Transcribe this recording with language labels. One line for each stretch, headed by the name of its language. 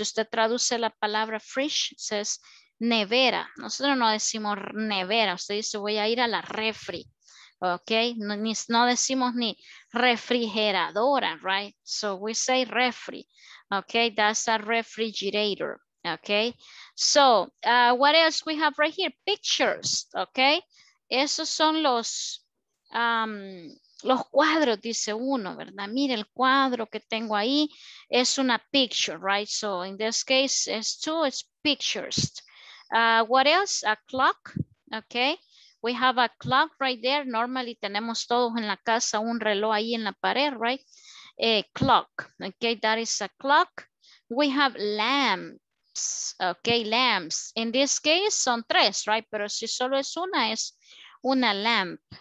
Spanish: Si usted traduce la palabra fridge, es nevera, nosotros no decimos nevera, usted dice voy a ir a la refri, ok, no, ni, no decimos ni refrigeradora,
English: right, so we say refri, ok, that's a refrigerator, ok, so what else we have right here, pictures,
Spanish: ok, esos son los cuadros, dice uno, ¿verdad? Mire el cuadro que tengo ahí, es una picture, right?
English: So in this case, it's two, it's pictures. What else? A clock, okay? We have a clock right there.
Spanish: Normally tenemos todos en la casa un reloj ahí en la pared, right?
English: Clock, okay? That is a clock. We have lamps, okay? Lamps. In this case,
Spanish: son tres, right? Pero si solo es una lamp.